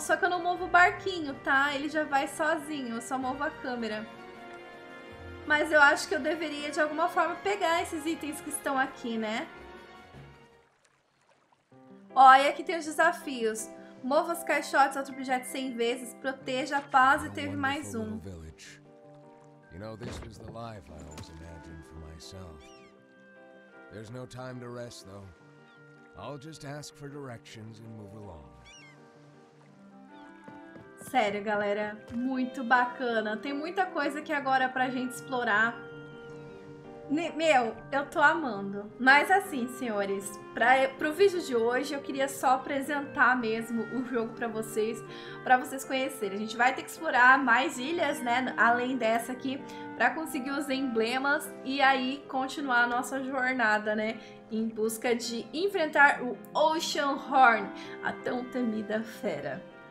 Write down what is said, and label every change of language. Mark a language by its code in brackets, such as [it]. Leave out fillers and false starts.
[pt] Só que eu não movo o barquinho, tá? Ele já vai sozinho. Eu só movo a câmera. Mas eu acho que eu deveria, de alguma forma, pegar esses itens que estão aqui, né? Ó, e aqui tem os desafios. Mova os caixotes, outro objeto 100 vezes. Proteja a paz e teve mais um. [en] You know, this is the life I always imagined for myself. There's no time to rest, though. I'll just ask for directions and move along. [pt] Sério, galera, muito bacana. Tem muita coisa aqui agora pra gente explorar. Meu, eu tô amando. Mas assim, senhores, pro vídeo de hoje eu queria só apresentar mesmo o jogo pra vocês conhecerem. A gente vai ter que explorar mais ilhas, né, além dessa aqui, pra conseguir os emblemas e aí continuar a nossa jornada, né, em busca de enfrentar o Ocean Horn, a tão temida fera.